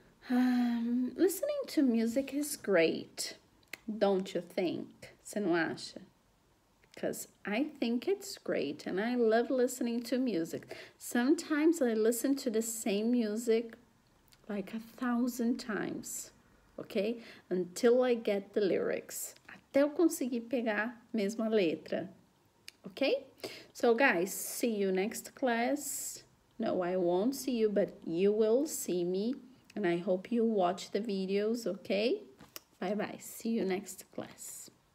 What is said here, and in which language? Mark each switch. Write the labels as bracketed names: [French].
[English] listening to music is great, don't you think? [Portuguese] Você não acha? [English] Because I think it's great and I love listening to music. Sometimes I listen to the same music like 1,000 times, okay? Until I get the lyrics. [Portuguese] Até eu conseguir pegar mesmo a letra, okay? [English] So guys, see you next class. No, I won't see you, but you will see me. And I hope you watch the videos, okay? Bye-bye. See you next class.